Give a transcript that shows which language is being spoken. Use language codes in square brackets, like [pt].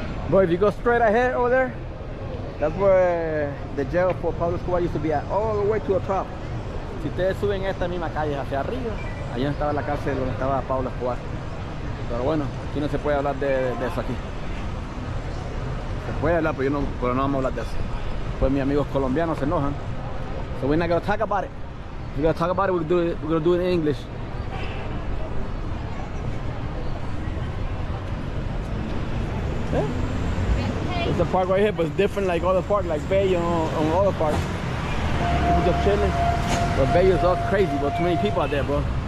[en] Bro, if you go straight ahead over there, that's where the jail for Pablo Escobar used to be at, all the way to the top. [es] Si ustedes suben esta misma calle hacia arriba, allá estaba la cárcel donde estaba Pablo Escobar. Pero bueno, aquí no se puede hablar de eso aquí. Se puede hablar, pero no vamos a hablar de eso. Pues mis amigos colombianos se enojan. [en] So we're not gonna talk about it. If we're gonna talk about it, we're gonna do it in English. The park right here, but it's different like all the park, like Bayo on all the parks. People just chilling. But Bayo is all crazy, but too many people out there, bro.